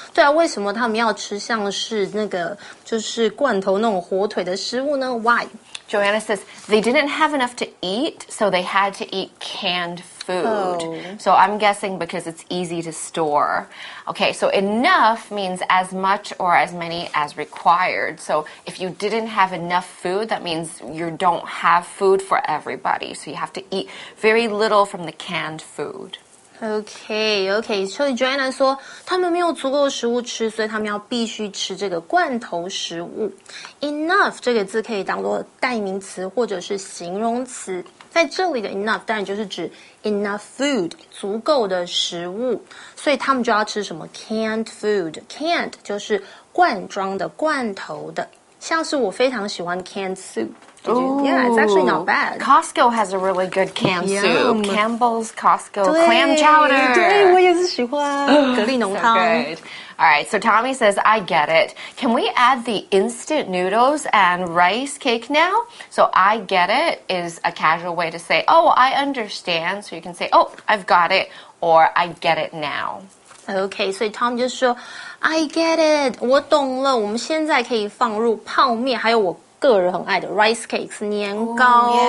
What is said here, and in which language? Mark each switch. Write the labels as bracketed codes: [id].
[zh] 对啊，为什么他们要吃像是那个就是罐头那种火腿的食物呢？ [en] Why? Joanna says, they didn't have enough to eat, so they had to eat canned food. Oh. So I'm guessing because it's easy to store. Okay, so enough means as much or as many as required. So if you didn't have enough food, that means you don't have food for everybody. So you have to eat very little from the canned food. [zh] Okay. So Joanna 说他们没有足够食物吃，所以他们要必须吃这个罐头食物。 Enough 这个字可以当作代名词或者是形容词。在这里的 enough 当然就是指 [en] enough food， [zh] 足够的食物。所以他们就要吃什么 canned food。Canned 就是罐装的、罐头的。像是我非常喜欢 canned soup。 [en] Ooh, yeah, it's actually not bad. Costco has a really good canned soup. Campbell's Costco clam chowder. [zh] 对，我也是喜欢蛤蜊浓汤。 [en] All right, so Tommy says, I get it. Can we add the instant noodles and rice cake now? So I get it is a casual way to say, oh, I understand. So you can say, oh, I've got it, or I get it now. Okay, so Tom just [zh] 说 [en] I get it, [zh] 我懂了，我们现在可以放入泡面，还有我个人很爱的 rice cakes, 年糕。